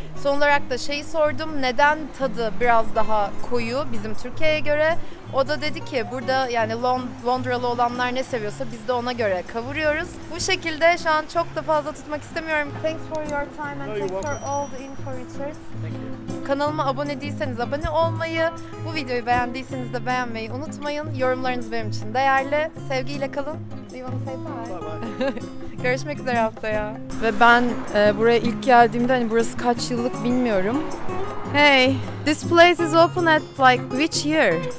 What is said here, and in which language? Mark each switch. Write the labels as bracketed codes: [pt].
[tr] Son olarak da şeyi sordum, neden tadı biraz daha koyu bizim Türkiye'ye göre? O da dedi ki burada yani Londralı olanlar ne seviyorsa biz de ona göre kavuruyoruz. Bu şekilde şu an çok da fazla tutmak istemiyorum. [en] Thanks for your time and thanks for all the info, Richard. Thank you. [tr] Kanalıma abone değilseniz abone olmayı, bu videoyu beğendiyseniz de beğenmeyi unutmayın. Yorumlarınız benim için değerli. Sevgiyle kalın. [en] Do you want to say bye? Bye bye. [tr] Görüşmek üzere haftaya. Ve ben buraya ilk geldiğimde hani burası kaç yıllık bilmiyorum. [en] Hey, this place is open at like which year?